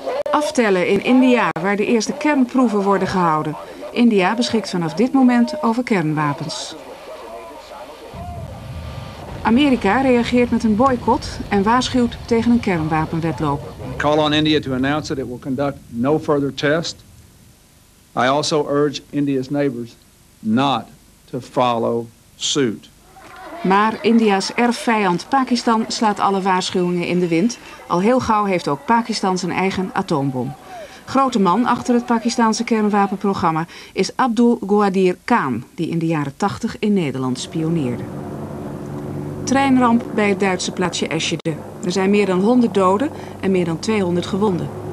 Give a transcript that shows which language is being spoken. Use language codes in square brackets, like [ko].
[nl] aftellen in India, waar de eerste kernproeven worden gehouden. India beschikt vanaf dit moment over kernwapens. Amerika reageert met een boycot en waarschuwt tegen een kernwapenwedloop. [en] Call on India to announce that it will conduct no further test. I also urge India's neighbors not to follow suit. [nl] Maar India's erfvijand Pakistan slaat alle waarschuwingen in de wind. Al heel gauw heeft ook Pakistan zijn eigen atoombom. Grote man achter het Pakistanse kernwapenprogramma is Abdul Gawadir Khan, die in de jaren 80 in Nederland spioneerde. Treinramp bij het Duitse plaatsje Eschede. Er zijn meer dan 100 doden en meer dan 200 gewonden.